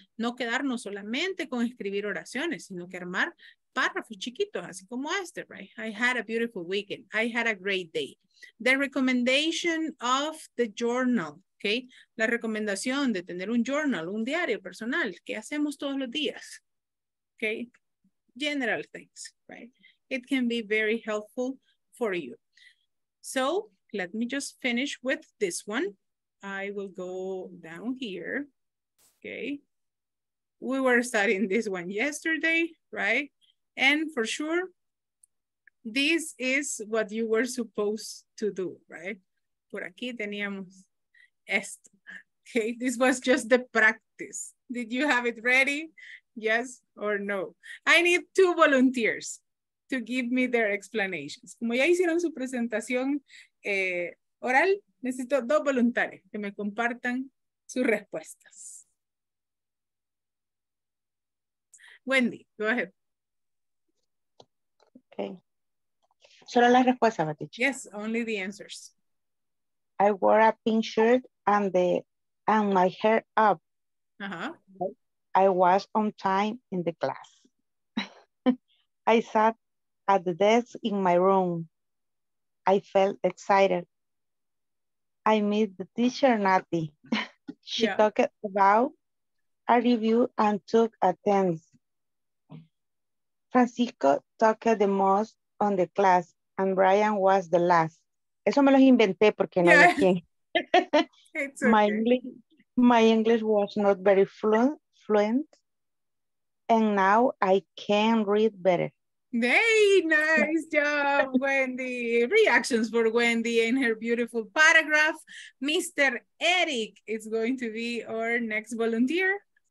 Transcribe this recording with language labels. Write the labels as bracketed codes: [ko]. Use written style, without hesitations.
[es] No quedarnos solamente con escribir oraciones, sino que armar párrafos chiquitos, así como este, [en] right? I had a beautiful weekend. I had a great day. The recommendation of the journal, okay? [es] La recomendación de tener un journal, un diario personal, que hacemos todos los días, [en] okay? General things, right? It can be very helpful for you. So let me just finish with this one. I will go down here, okay? We were studying this one yesterday, right? And for sure, this is what you were supposed to do, right? [es] Por aquí teníamos esto, [en] okay? This was just the practice. Did you have it ready? Yes or no? I need 2 volunteers to give me their explanations. [es] Como ya hicieron su presentación oral, necesito 2 voluntarios que me compartan sus respuestas. [en] Wendy, go ahead. [es] Okay. Solo las respuestas, Matich. [en] Yes, only the answers. I wore a pink shirt and my hair up. Uh-huh. I was on time in the class. I sat at the desk in my room. I felt excited. I met the teacher, Nati. She talked about a review and took attendance. Francisco talked the most on the class and Brian was the last. [es] Eso me los inventé porque no había quien. [en] Okay. My English was not very fluent and now I can read better. Hey, nice job, Wendy. Reactions for Wendy and her beautiful paragraph. Mr. Eric is going to be our next volunteer.